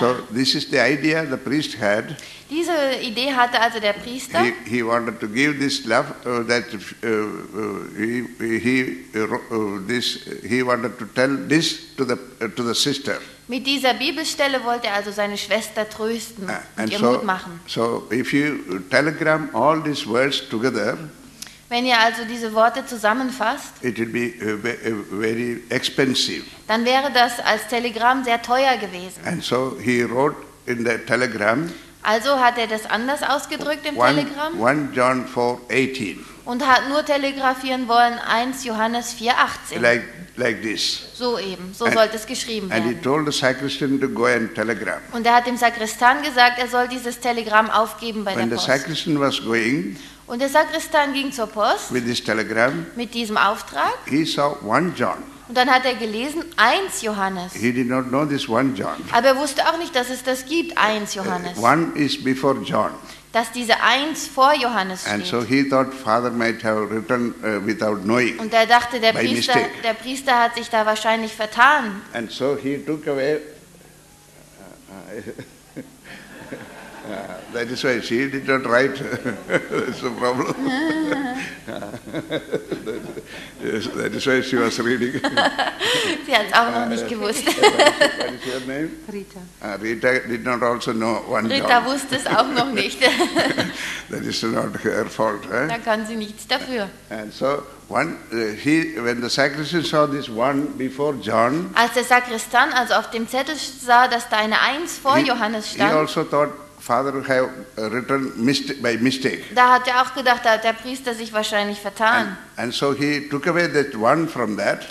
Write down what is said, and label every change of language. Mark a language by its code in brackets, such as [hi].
[en] So this is the idea the priest had. [de] Diese Idee hatte also der Priester. [en] He wanted to give this love that he wanted to tell this to the sister. [de] Mit dieser Bibelstelle wollte er also seine Schwester trösten und ihr Mut machen. [en] So if you telegram all these words together. [de] Wenn ihr also diese Worte zusammenfasst, [en] it will be very expensive. [de] Dann wäre das als Telegramm sehr teuer gewesen. [en] And so he wrote in the telegram, [de] also hat er das anders ausgedrückt im Telegramm. [en] 1 John 4:18. [de] Und hat nur telegrafieren wollen, 1 Johannes 4:18. [en] Like this. [de] So eben, so sollte es geschrieben [en] and [de] werden. [en] He told the sacristan to go and telegram. [de] Und er hat dem Sakristan gesagt, er soll dieses Telegramm aufgeben bei [en] when [de] der Post. [en] The sacristan was going, [de] und der Sakristan ging zur Post [en] with this telegram, [de] mit diesem Auftrag. [en] He saw 1 John. [de] Und dann hat er gelesen, 1 Johannes. [en] He did not know this 1 John. [de] Aber er wusste auch nicht, dass es das gibt, 1 Johannes. [en] One is before John. [de] Dass diese 1 vor Johannes steht. [en] And so he thought Father might have written without knowing. [de] Und er dachte, der Priester hat sich da wahrscheinlich vertan. [en] And so he took away. That is why she did not write. That's the problem. Yes, that is why she was reading. [de] Sie hat es auch noch nicht gewusst. [en] What is your name? Rita. Rita did not also know 1 Rita John. [de] Rita wusste es auch noch nicht. [en] That is not her fault. Eh? [de] Da kann sie nichts dafür. [en] And so, when the sacristan saw this 1 before John, [de] als der Sakristan also auf dem Zettel sah, dass da eine 1 vor Johannes stand, [en] he also thought, father have written by mistake. [de] Da hat er auch gedacht, da hat der Priester sich wahrscheinlich vertan. [en] And so he took away that one from that.